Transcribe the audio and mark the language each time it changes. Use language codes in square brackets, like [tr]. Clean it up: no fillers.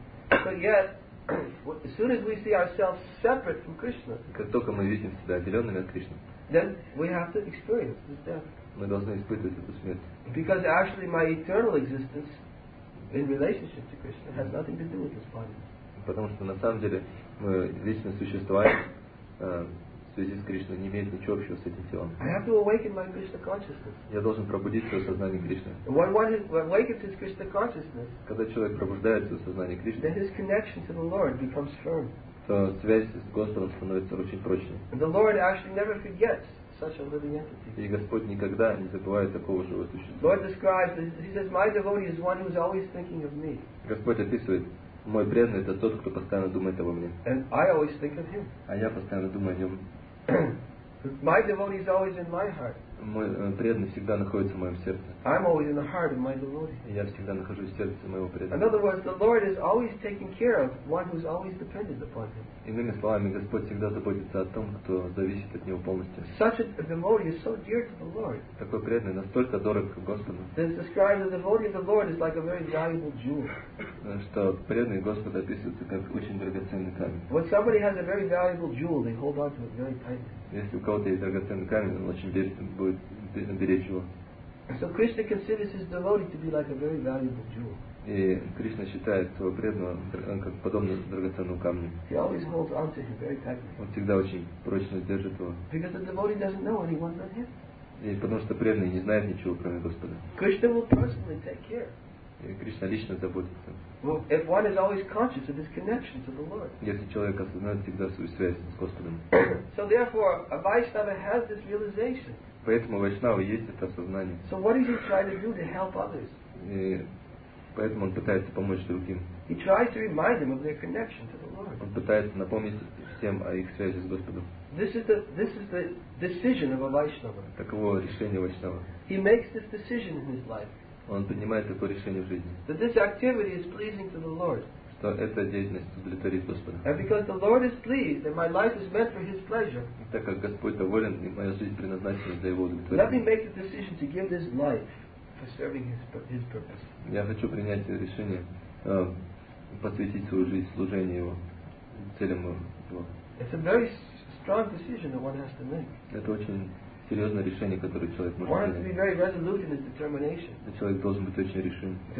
[en] But yet, as soon as we see ourselves separate from Krishna, [ru] как только мы видим себя отделенными от Кришны, [en] then we have to experience this death. [ru] Мы должны испытывать эту смерть. [en] Because actually my eternal existence in relationship to Krishna has nothing to do with this body. [ru] Потому что на самом деле мы вечно существуем в связи с Кришной, не имеет ничего общего с этим телом. [en] I have to awaken my Krishna consciousness. [ru] Я должен пробудить свое сознание Кришны. [en] When awakens his Krishna consciousness, [ru] когда человек пробуждается в сознании Кришны, [en] then his connection to the Lord becomes firm. [ru] То связь с Господом становится очень прочной. [en] And the Lord actually never forgets such a living entity. [ru] И Господь никогда не забывает такого живого существа. [en] Lord describes, he says, my devotee is one who is always thinking of me. [ru] Господь описывает, мой преданный это тот, кто постоянно думает обо мне. [en] And I always think of him. [ru] А я постоянно думаю о нем. [en] My devotee is always in my heart. [ru] Мой преданный всегда находится в моем сердце. [en] I'm always in the heart of my devotee. [ru] Я всегда нахожусь в сердце моего преданного. [en] In other words, the Lord is always taking care of one who's always dependent upon him. [ru] Иными словами, Господь всегда заботится о том, кто зависит от него полностью. [en] Such a devotee is so dear to the Lord. [ru] Такой преданный настолько дорог Господу. [en] It's described that the devotee of the Lord is like a very valuable jewel. [ru] Что преданный Господа описывается как очень драгоценный камень. [en] When somebody has a very valuable jewel, they hold on to it very tightly. [ru] Если у кого-то есть драгоценный камень, он очень будет беречь его. [en] So Krishna considers his devotee to be like a very valuable jewel. [ru] И Кришна считает своего преданного как подобно драгоценному камню. [en] He always holds on to him very tightly. [ru] Он всегда очень прочно держит его. [en] Because the devotee doesn't know anyone but him. [ru] И потому что преданный не знает ничего кроме Господа. [en] Krishna will personally take care. [ru] И Кришна лично заботится. [en] Well, if one is always conscious of his connection to the Lord. [ru] Если человек осознает всегда свою связь с Господом. [en] So therefore, a Vaishnava has this realization. [ru] Поэтому у Вайшнава есть это осознание. [en] So what does he try to do to help others? [ru] И поэтому он пытается помочь другим. [en] He tries to remind them of their connection to the Lord. [ru] Он пытается напомнить всем о их связи с Господом. [en] This is the decision of a Vaishnava. [ru] Таково решение Вайшнава. [en] He makes this decision in his life. [ru] Он принимает такое решение в жизни. [en] That this activity is pleasing to the Lord. [ru] Что эта деятельность удовлетворит Господа. [en] And because the Lord is pleased, and my life is meant for His pleasure. [ru] Так как Господь доволен, и моя жизнь предназначена для Его удовлетворения. [en] Let me make the decision to give this life for serving His purpose. [ru] Я хочу принять решение посвятить свою жизнь служению Его, целям Его. [en] It's a very strong decision that one has to make. [ru] Это очень серьезное решение, которое человек может принять. Человек должен быть очень решим.